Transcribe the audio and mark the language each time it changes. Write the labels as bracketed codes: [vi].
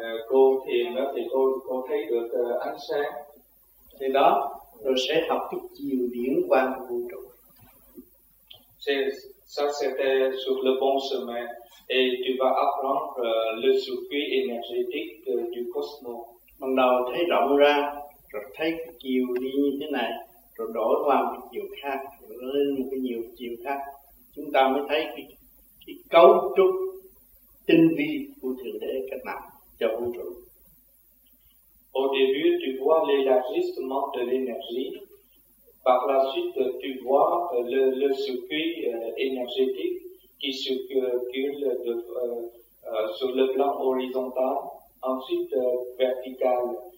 [vi] vô thiền đó, thì cô thấy được ánh sáng. Thì đó, rồi sẽ học cái chiều điển quan của vũ trụ. [fr] Ça c'était sur le bon chemin et tu vas apprendre le circuit énergétique du cosmos. [vi] Bằng đầu thấy rộng ra, rồi thấy cái chiều đi như thế này, rồi đổi qua một chiều khác, lên một cái nhiều chiều khác, chúng ta mới thấy cái cấu trúc tinh vi của thượng đế cách nào cho vũ trụ. [fr] Au début, tu vois l'élargissement de l'énergie. Par la suite, tu vois le circuit énergétique qui circule sur le plan horizontal, ensuite vertical.